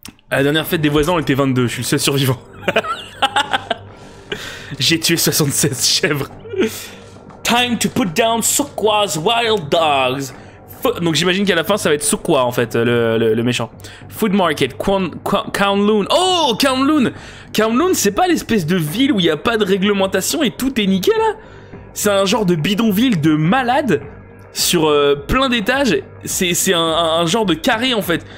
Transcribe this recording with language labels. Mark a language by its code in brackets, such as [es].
[fr] À la dernière fête des voisins, on était 22, je suis le seul survivant. J'ai tué 76 chèvres. [en] Time to put down Sukwa's wild dogs. [fr] Donc j'imagine qu'à la fin ça va être Sukwa en fait, le méchant. Food market, Kowloon. Oh, Kowloon. Kowloon, c'est pas l'espèce de ville où il n'y a pas de réglementation et tout est nickel, hein? C'est un genre de bidonville de malade. sur plein d'étages. C'est un genre de carré, en fait.